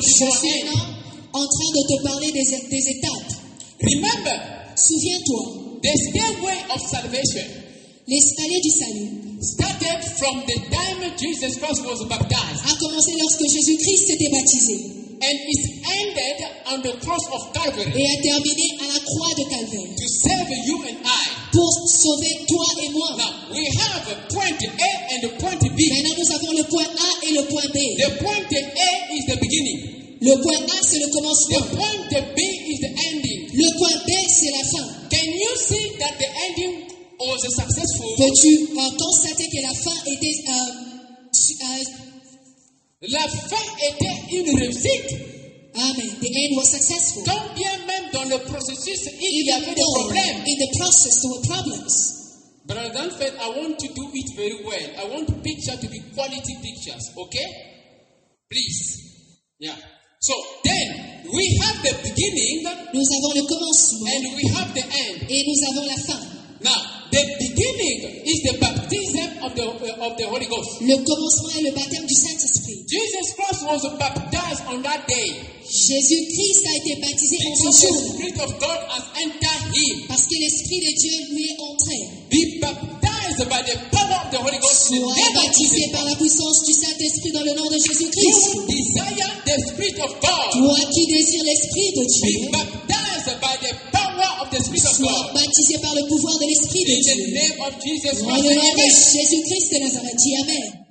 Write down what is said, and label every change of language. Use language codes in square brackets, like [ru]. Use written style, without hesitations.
[en] to go in. [fr] En train de te parler des étapes. [en] Remember, [fr] souviens-toi. [en] The stairway of salvation. [fr] L'escalier du salut. [en] Started from the time Jesus Christ was baptized. [fr] A commencé lorsque Jésus-Christ s'était baptisé. [en] And it ended on the cross of Calvary. [fr] Et a terminé à la croix de Calvaire. [en] To save you and I. [fr] Pour sauver toi et moi. [en] Now, we have point A and point B. [fr] Maintenant nous avons le point A et le point B. [en] The point A is the beginning. [fr] Le point A c'est le commencement. [en] The point B is the ending. [fr] Le point B c'est la fin. [en] Can you see that the ending was successful? [fr] Peux-tu constater que la fin était la fin était une réussite. [en] Amen. The end was successful. [fr] Quand bien même dans le processus il y avait des problèmes. [en] In the process there were problems. But I don't feel I want to do it very well. I want picture to be quality pictures, okay? Please. Yeah. So then we have the beginning. [fr] Nous avons le commencement. [en] And we have the end. [fr] Et nous avons la fin. [en] Now the beginning is the baptism of the Holy Ghost. [fr] Le commencement est le baptême du Saint Esprit. [en] Jesus Christ was baptized on that day. [fr] Jésus Christ a été baptisé [en] because [fr] en ce jour. [en] The Spirit of God has entered him. [fr] Parce que l'Esprit de Dieu lui est entré. [en] Be baptized by the power of the Holy Ghost. [fr] Sois baptisé par la puissance du Saint Esprit dans le nom de Jésus Christ. [en] You desire the Spirit of God. [fr] Toi qui désires l'Esprit de Dieu. [en] Be baptized by the power. [fr] Sois baptisé par le pouvoir de l'Esprit de Dieu. Dans le nom de Jésus-Christ de Nazareth, dis Amen.